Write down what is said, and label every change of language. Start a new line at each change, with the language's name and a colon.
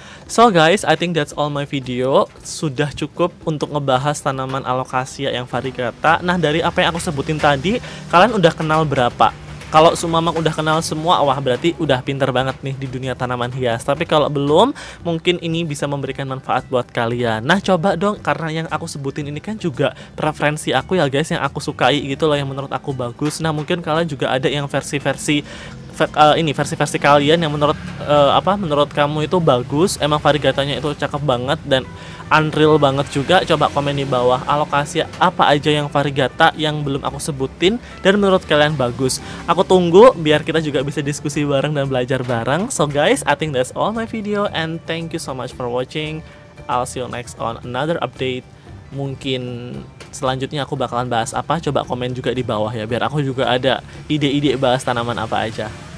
English: So guys, I think that's all my video.
Indonesian: Sudah cukup untuk ngebahas tanaman Alocasia yang variegata. Nah dari apa yang aku sebutin tadi, kalian udah kenal berapa Kalau sumamang udah kenal semua, wah berarti udah pinter banget nih di dunia tanaman hias. Tapi kalau belum, mungkin ini bisa memberikan manfaat buat kalian. Nah coba dong, karena yang aku sebutin ini kan juga preferensi aku ya guys, yang aku sukai gitu loh, yang menurut aku bagus. Nah mungkin kalian juga ada yang versi-versi versi-versi kalian yang menurut kamu itu bagus, emang variegatanya itu cakep banget dan unreal banget juga. Coba komen di bawah alokasi apa aja yang variegata yang belum aku sebutin dan menurut kalian bagus. Aku tunggu biar kita juga bisa diskusi bareng dan belajar bareng.
English: So guys, I think that's all my video and thank you so much for watching. I'll see you next on another update.
Indonesian: Mungkin selanjutnya aku bakalan bahas apa, coba komen juga di bawah ya, biar aku juga ada ide-ide bahas tanaman apa aja.